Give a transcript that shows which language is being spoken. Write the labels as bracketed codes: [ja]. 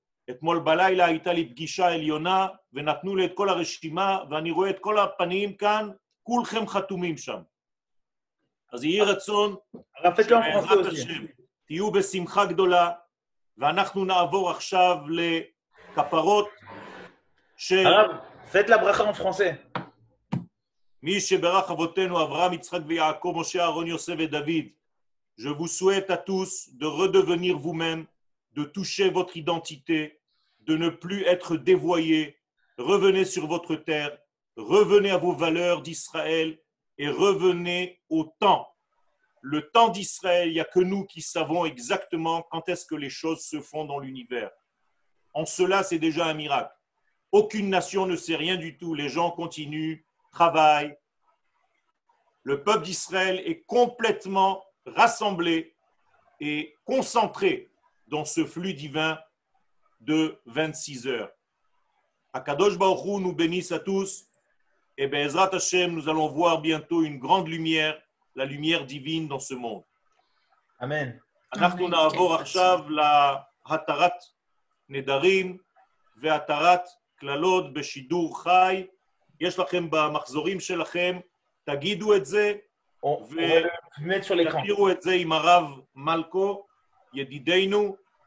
[he] אתמול בלילה הייתה לי פגישה עליונה, ונתנו לי את כל הרשימה, ואני רואה את כל הפנים כאן, כולכם חתומים שם. אז יהי רצון, שבעזרת השם, תהיו בשמחה גדולה, ואנחנו נעבור עכשיו לכפרות של... הרב, פת לברכה מפרנסה. מי שברך אבותינו אברהם יצחק ויעקב משה אהרון יוסף ודוד [fr] je vous souhaite à tous de redevenir vous-même de toucher votre identité de ne plus être dévoyé revenez sur votre terre revenez à vos valeurs d'Israël et revenez au temps le temps d'Israël il y a que nous qui savons exactement quand est-ce que les choses se font dans l'univers en cela c'est déjà un miracle aucune nation ne sait rien du tout les gens continuent travail. Le peuple d'Israël est complètement rassemblé et concentré dans ce flux divin de 26 heures. Akadosh Baruch Hu nous bénisse à tous. Et Be'ezrat Hashem, nous allons voir bientôt une grande lumière, la lumière divine dans ce monde. Amen. [he] אנחנו נעבור עכשיו להתרת נדרים והתרת כללות בשידור חי. יש לכם במחזורים שלכם, תגידו את זה ותכירו את זה עם הרב מלכו, ידידינו.